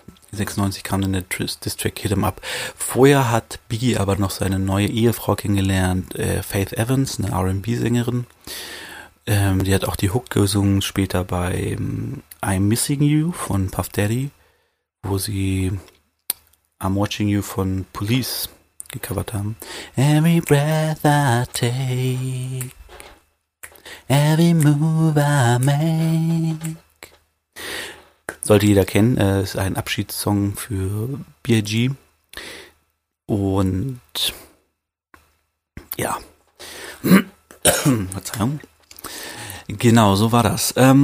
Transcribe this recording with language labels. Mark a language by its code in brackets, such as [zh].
[de] 96 kam dann der Diss-Track Hit 'Em Up. Vorher hat Biggie aber noch seine neue Ehefrau kennengelernt, Faith Evans, eine R&B-Sängerin. Die hat auch die Hook gesungen später bei I'm Missing You von Puff Daddy, wo sie I'm Watching You von Police gecovert haben. [en] Every breath I take, every move I make. [de] Sollte jeder kennen, ist ein Abschiedssong für B.I.G. Und ja, Verzeihung. Genau, so war das.